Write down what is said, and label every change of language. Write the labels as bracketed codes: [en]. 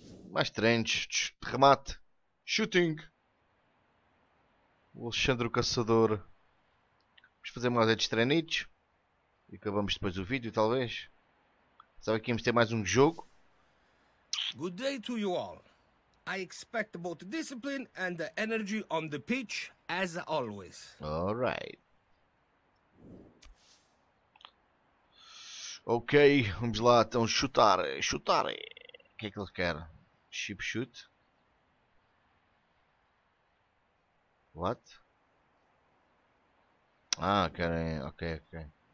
[pt] Mais treinos. Remate. Shooting. O Alexandre o Caçador. Vamos fazer mais estes treinitos. E acabamos depois o vídeo, talvez. Sabe que íamos ter mais um jogo? [en] Good day to you all. I expect both discipline and the energy on the pitch, as always. Alright. [pt] Ok, vamos lá, então chutar, chutar. O que é que ele quer? Chip shoot? [en] What? [pt] Ah, querem, ok, ok.